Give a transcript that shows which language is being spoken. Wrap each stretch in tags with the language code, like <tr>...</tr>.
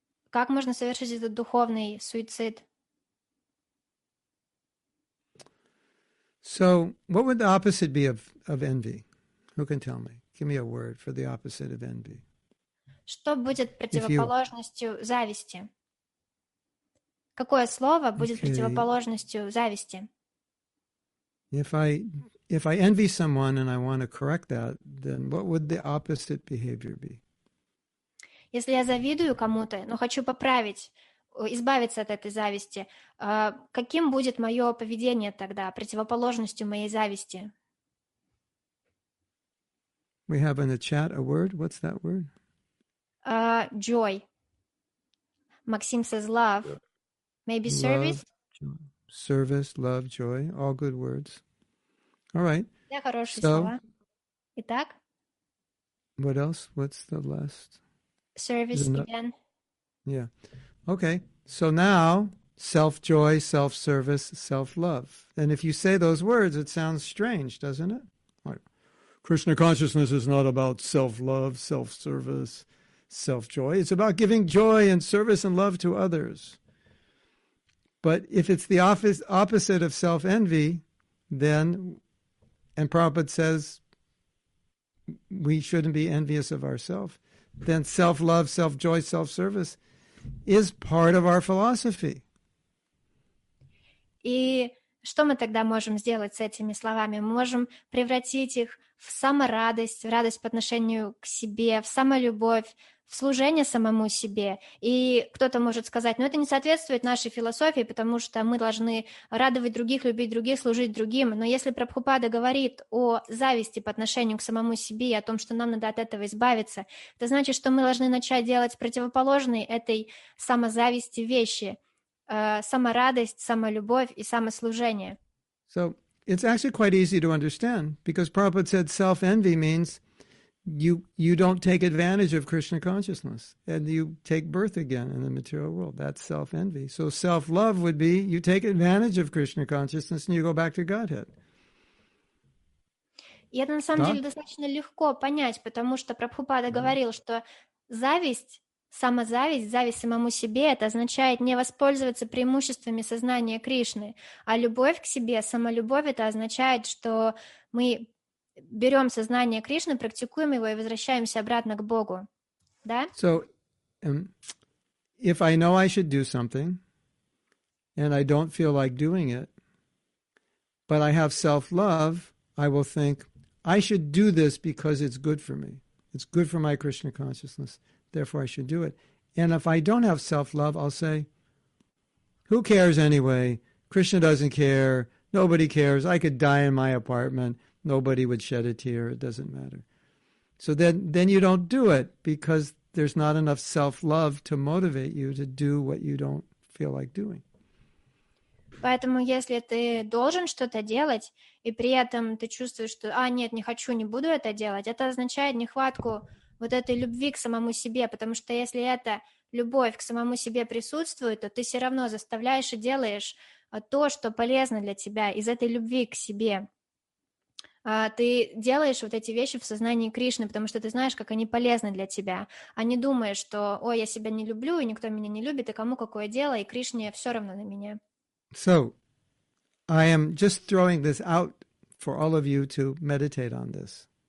<ru>Как можно совершить этот духовный суицид?</ru> <en>So, what would the opposite be of envy? Who can tell me? Give me a word for the opposite of envy. Что будет противоположностью зависти? Какое слово будет противоположностью зависти? If I envy someone and I want to correct that, then what would the opposite behavior be? Если я завидую кому-то, но хочу поправить, избавиться от этой зависти, каким будет мое поведение тогда, противоположностью моей зависти? We have in the chat a word. What's that word? Joy. Maxim says love. Maybe love, service? Joy. Service, love, joy. All good words. All right.</en> <ru>Все хорошие слова. Итак?</ru> <en>What else? What's the last? Service again. Yeah. Okay. So now, self-joy, self-service, self-love. And if you say those words, it sounds strange, doesn't it? Krishna consciousness is not about self-love, self-service, self-joy. It's about giving joy and service and love to others. But if it's the opposite of self-envy, then, and Prabhupada says we shouldn't be envious of ourselves, then self-love, self-joy, self-service is part of our philosophy.</en> <ru>Что мы тогда можем сделать с этими словами? Мы можем превратить их в саморадость, в радость по отношению к себе, в самолюбовь, в служение самому себе. И кто-то может сказать, но это не соответствует нашей философии, потому что мы должны радовать других, любить других, служить другим. Но если Прабхупада говорит о зависти по отношению к самому себе и о том, что нам надо от этого избавиться, это значит, что мы должны начать делать противоположные этой самозависти вещи. Самарадость, самолюбовь и самослужение.</ru> <en>So it's actually quite easy to understand because Prabhupada said self-envy means you don't take advantage of Krishna consciousness and you take birth again in the material world. That's self-envy. So self-love would be you take advantage of Krishna consciousness and you go back to Godhead.</en> <ru>И это на самом деле достаточно легко понять, потому что Прабхупада говорил, что зависть самозависть, зависть самому себе, это означает не воспользоваться преимуществами сознания Кришны. А любовь к себе, самолюбовь, это означает, что мы берем сознание Кришны, практикуем его и возвращаемся обратно к Богу. Да?</ru> <en>So, if I know I should do something, and I don't feel like doing it, but I have self-love, I will think, I should do this because it's good for me. It's good for my Krishna consciousness. Therefore, I should do it. And if I don't have self-love, I'll say, who cares anyway? Krishna doesn't care. Nobody cares. I could die in my apartment. Nobody would shed a tear. It doesn't matter. So then you don't do it because there's not enough self-love to motivate you to do what you don't feel like doing.</en> <ru>Поэтому если ты должен что-то делать, и при этом ты чувствуешь, что «а, нет, не хочу, не буду это делать», это означает нехватку вот этой любви к самому себе, потому что если эта любовь к самому себе присутствует, то ты все равно заставляешь и делаешь то, что полезно для тебя из этой любви к себе. Ты делаешь вот эти вещи в сознании Кришны, потому что ты знаешь, как они полезны для тебя, а не думаешь, что «ой, я себя не люблю, и никто меня не любит, и кому какое дело, и Кришне все равно на меня».</ru> <en>So, I am just throwing this out for all of you to meditate on this.</en>